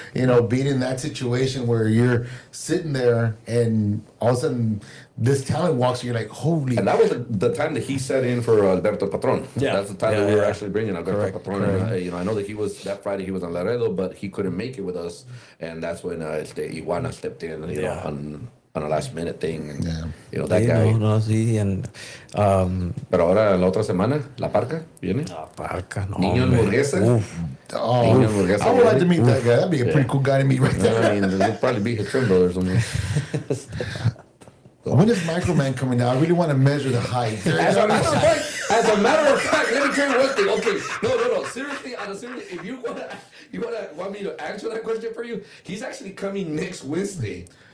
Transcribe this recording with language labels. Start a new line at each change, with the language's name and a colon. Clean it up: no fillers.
English: You know, being in that situation where you're sitting there and all of a sudden this talent walks and you're like, holy. And that was the time that he set in for Alberto Patron. Yeah. That's the time that we were actually bringing Alberto Patron. Correct. And, you know, I know that he was, that Friday he was on Laredo, but he couldn't make it with us. And that's when Iguana stepped in, on a last minute thing, and you know, that guy.
Spanish: No, sí, and pero ahora la otra semana, la Parca viene. La Parca, no. Niño Hamburguesa. Niño Hamburguesa.
English: I would like to meet that guy. That'd be a pretty cool guy to meet right there. I mean, it'll probably be his twin brother or something. When is Microman coming out? I really want to measure the height. As a matter of fact, let me tell you one thing. Okay, no. Seriously, if you want me to answer that question for you, he's actually coming next Wednesday.